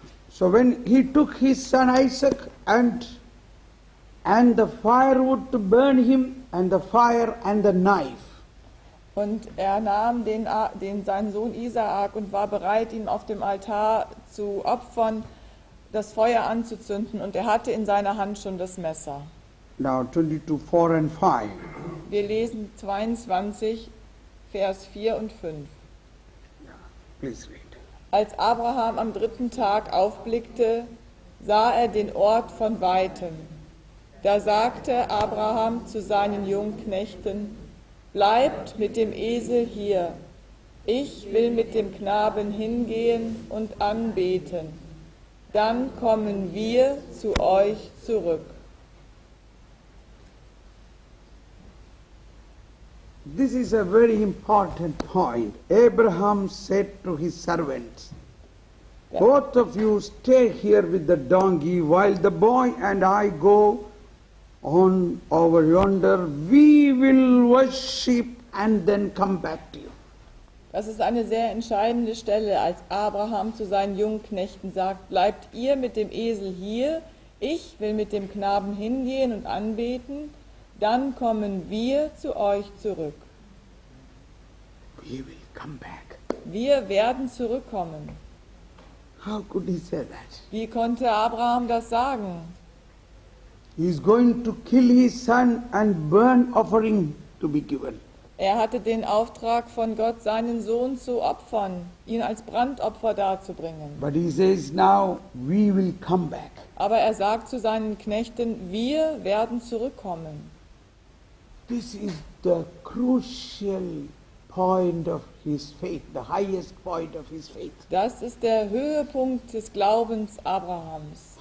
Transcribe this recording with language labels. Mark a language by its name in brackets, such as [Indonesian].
[English] So when he took his son Isaac and the firewood to burn him and the fire and the knife. [German] Und er nahm den seinen Sohn Isaak und war bereit, ihn auf dem Altar zu opfern, das Feuer anzuzünden, und er hatte in seiner Hand schon das Messer. [English] Now 22:4 and 5. [German] Wir lesen 22, Vers 4 und 5. [English] Yeah, please read. [German] Als Abraham am dritten Tag aufblickte, sah er den Ort von Weitem. Da sagte Abraham zu seinen Jungknechten, bleibt mit dem Esel hier, ich will mit dem Knaben hingehen und anbeten. Dann kommen wir zu euch zurück. [English] This is a very important point. Abraham said to his servants, both of you stay here with the donkey while the boy and I go on over yonder. We will worship and then come back to you. [German] Das ist eine sehr entscheidende Stelle, als Abraham zu seinen Jungknechten sagt, bleibt ihr mit dem Esel hier, ich will mit dem Knaben hingehen und anbeten, dann kommen wir zu euch zurück. [English] We will come back. [German] Wir werden zurückkommen. [English] How could he say that? [German] Wie konnte Abraham das sagen? [English] He is going to kill his son and burn offering to be given. [German] Er hatte den Auftrag von Gott, seinen Sohn zu opfern, ihn als Brandopfer darzubringen. [English] But he says now, we will come back. [German] Aber er sagt zu seinen Knechten, wir werden zurückkommen. [English] This is the crucial point of his faith, the highest point of his faith. [German] Das ist der Höhepunkt des Glaubens Abrahams.